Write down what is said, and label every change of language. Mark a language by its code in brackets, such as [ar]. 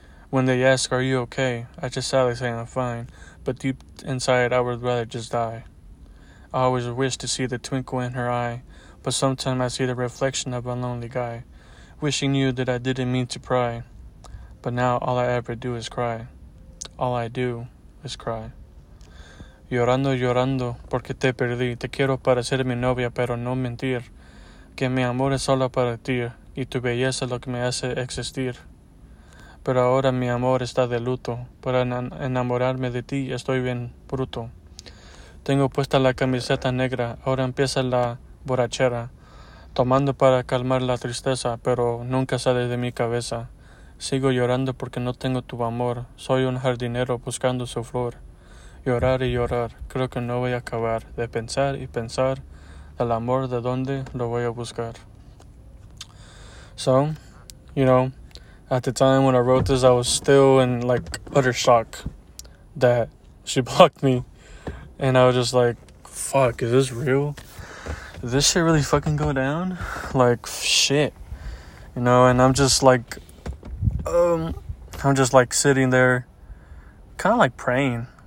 [en] When they ask, are you okay? I just sadly say I'm fine. But deep inside, I would rather just die. I always wish to see the twinkle in her eye. But sometimes I see the reflection of a lonely guy. Wishing you that I didn't mean to pry. But now all I ever do is cry. All I do is cry. [es] Llorando, llorando, porque te perdí. Te quiero para ser mi novia, pero no mentir. Que mi amor es solo para ti. Y tu belleza lo que me hace existir. Pero ahora mi amor está de luto. Para enamorarme de ti estoy bien bruto. Tengo puesta la camiseta negra. Ahora empieza la borrachera. Tomando para calmar la tristeza. Pero nunca sale de mi cabeza. Sigo llorando porque no tengo tu amor. Soy un jardinero buscando su flor. Llorar y llorar. Creo que no voy a acabar. De pensar y pensar. El amor de dónde lo voy a buscar. [en] So, you know, at the time when I wrote this, I was still in, like, utter shock that she blocked me. And I was just like, fuck, is this real? did this shit really fucking go down? Like, shit. You know, and I'm just like, I'm just like sitting there, kind of like praying.